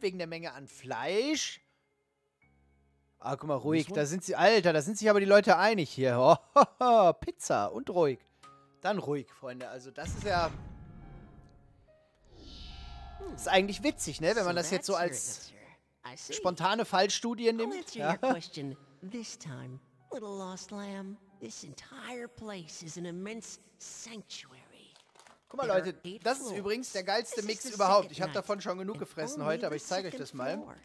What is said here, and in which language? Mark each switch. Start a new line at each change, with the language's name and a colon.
German: Wegen der Menge an Fleisch? Ah, guck mal, ruhig. Da sind sie, Alter, da sind sich aber die Leute einig hier. Oh, Pizza und ruhig. Dann ruhig, Freunde. Also das ist ja... Ist eigentlich witzig, ne? Wenn man das jetzt so als spontane Fallstudie nimmt.
English: I'll answer your question this time, little lost lamb. This entire place is an immense sanctuary.
German: Guck mal, Leute, das ist übrigens der geilste Mix überhaupt. Ich habe davon schon genug gefressen heute, aber ich zeige euch das mal.